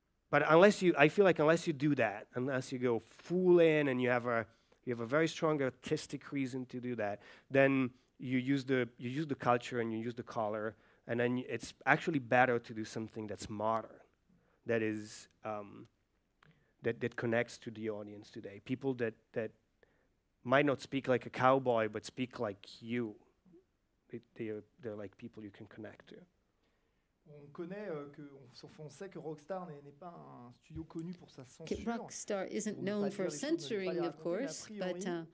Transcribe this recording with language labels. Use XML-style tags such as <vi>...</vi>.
<en>But unless you, I feel like unless you do that, unless you go full in and you have a very strong artistic reason to do that, then you use the culture and you use the color, and then it's actually better to do something that's modern, that is that connects to the audience today. People that might not speak like a cowboy, but speak like you. They're like people you can connect to.</en> <fr>On connaît que on sait que Rockstar n'est pas un studio connu pour sa censure.</fr> <en>Rockstar isn't known for censoring, of course, but</en>